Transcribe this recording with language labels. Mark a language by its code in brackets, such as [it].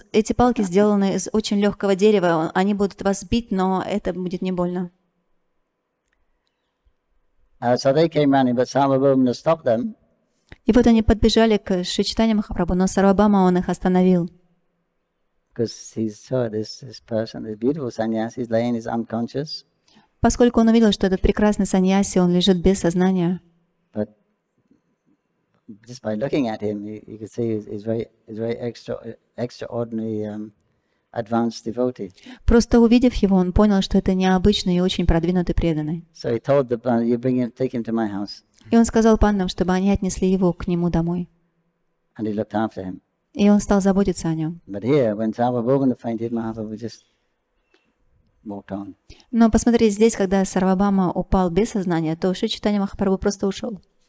[ru] Эти палки сделаны из очень легкого дерева. Они будут вас бить, но это будет не больно. [en] So they came running, but some of them stopped them. [ru] И вот они подбежали к Шри Чайтанья Махапрабху, но Сарвабхама он их остановил. Поскольку он увидел, что этот прекрасный саньяси, он лежит без сознания. [en] Just by looking at him, you could see he's very extraordinary advanced devotee. [ru] Просто увидев его, он понял, что это необычный и очень продвинутый преданный. [en] So he told the pandav, you bring him, take him to my house. [ru] И он сказал пандам, чтобы они отнесли его к нему домой. [en] And he looked after him. [ru] И он стал заботиться о нем. [en] But here, when Sarvabhauma fainted, Mahaprabhu just walked on. [ru] Но посмотрите здесь, когда Сарвабхама упал без сознания, то Шри Чайтанья Махапрабху просто ушел.